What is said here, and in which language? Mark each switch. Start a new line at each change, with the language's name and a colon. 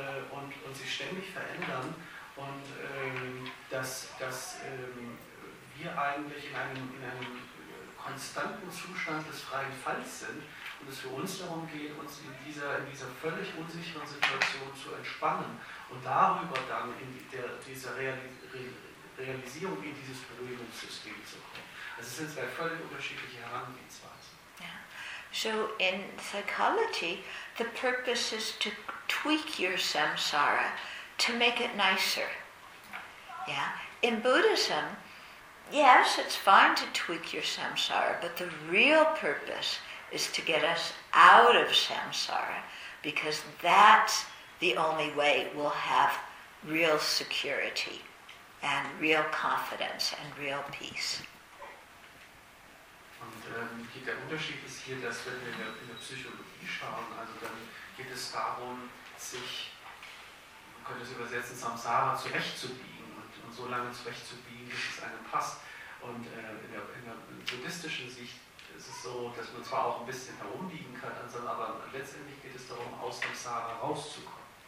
German: und sich ständig verändern und dass wir eigentlich in einem konstanten Zustand des freien Falls sind und es für uns darum geht, uns in dieser völlig unsicheren Situation zu entspannen und darüber dann in diese Realisierung in dieses Berührungssystem zu kommen. Also es sind zwei völlig unterschiedliche Herangehensweisen. Yeah.
English: So in psychology, the purpose is to tweak your samsara, to make it nicer. Yeah. In Buddhism, yes, it's fine to tweak your samsara, but the real purpose is to get us out of samsara, because that's the only way we'll have real security and real confidence and real peace.
German: Und der Unterschied ist hier, dass wenn wir in der Psychologie schauen, also dann geht es darum, sich, man könnte es übersetzen, Samsara zurechtzubiegen und so lange zurechtzubiegen, bis es einem passt. Und in der buddhistischen Sicht ist es so, dass man zwar auch ein bisschen herumbiegen kann, also, aber letztendlich geht es darum, aus Samsara rauszukommen.